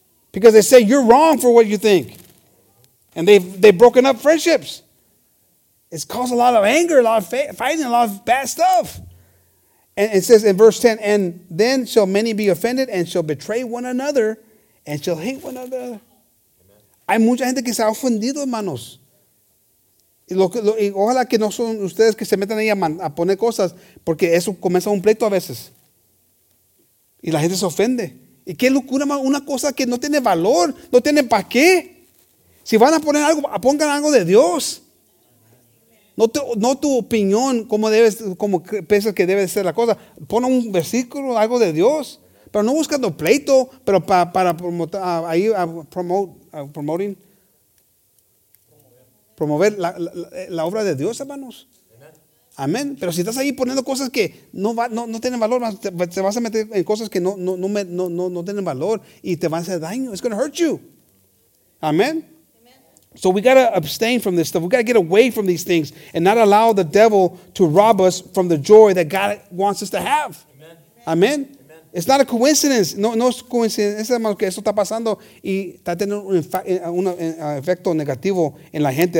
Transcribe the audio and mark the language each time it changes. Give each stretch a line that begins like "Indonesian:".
English: Because they say you're wrong for what you think. And they've broken up friendships. It's caused a lot of anger, a lot of fighting, a lot of bad stuff. And it says in verse 10, and then shall many be offended and shall betray one another and shall hate one another.
Spanish: Hay mucha gente que se ha ofendido, hermanos. Y ojalá que no son ustedes que se metan ahí a poner cosas, porque eso comienza un pleito a veces. Y la gente se ofende. Y qué locura, una cosa que no tiene valor, no tiene para qué. Si van a poner algo, pongan algo de Dios. No tu opinión, como piensas que debe ser la cosa. Pon un versículo, algo de Dios. Pero no buscando pleito, pero promover la obra de Dios, hermanos. Amén. Pero si estás ahí poniendo cosas que no tienen valor, te vas a meter en cosas que no tienen valor y te van a hacer daño.
English: It's going to hurt you. Amén. So we got to abstain from this stuff. We got to get away from these things and not allow the devil to rob us from the joy that God wants us to have. Amen. Amen. Amen. It's not a coincidence.
Spanish: No es coincidencia, hermanos, que esto está pasando y está teniendo un efecto negativo en la gente.